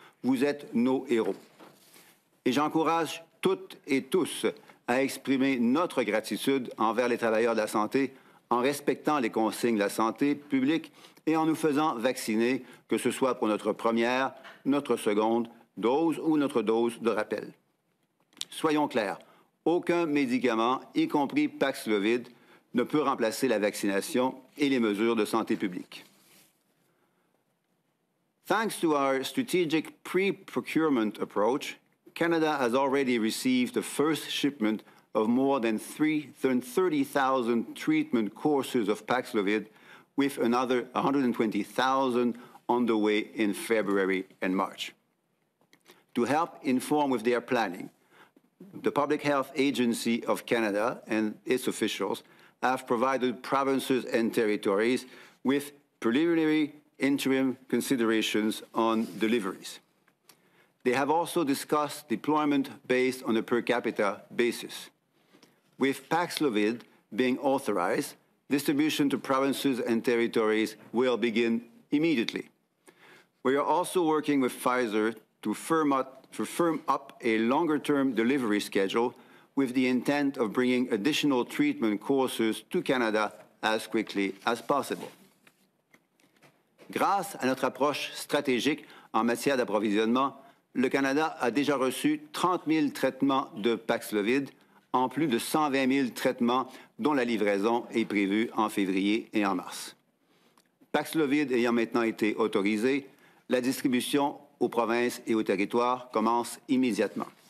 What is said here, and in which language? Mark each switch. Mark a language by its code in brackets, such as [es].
[fr] Vous êtes nos héros. Et j'encourage toutes et tous à exprimer notre gratitude envers les travailleurs de la santé en respectant les consignes de la santé publique et en nous faisant vacciner, que ce soit pour notre première, notre seconde dose ou notre dose de rappel. Soyons clairs, aucun médicament, y compris Paxlovid, ne peut remplacer la vaccination et les mesures de santé publique. [en] Thanks to our strategic pre-procurement approach, Canada has already received the first shipment of more than 330,000 treatment courses of Paxlovid, with another 120,000 on the way in February and March. To help inform with their planning, the Public Health Agency of Canada and its officials have provided provinces and territories with preliminary interim considerations on deliveries. They have also discussed deployment based on a per capita basis. With Paxlovid being authorized, distribution to provinces and territories will begin immediately. We are also working with Pfizer to firm up a longer-term delivery schedule with the intent of bringing additional treatment courses to Canada as quickly as possible. [fr] Grâce à notre approche stratégique en matière d'approvisionnement, le Canada a déjà reçu 30 000 traitements de Paxlovid, en plus de 120 000 traitements dont la livraison est prévue en février et en mars. Paxlovid ayant maintenant été autorisé, la distribution aux provinces et aux territoires commence immédiatement.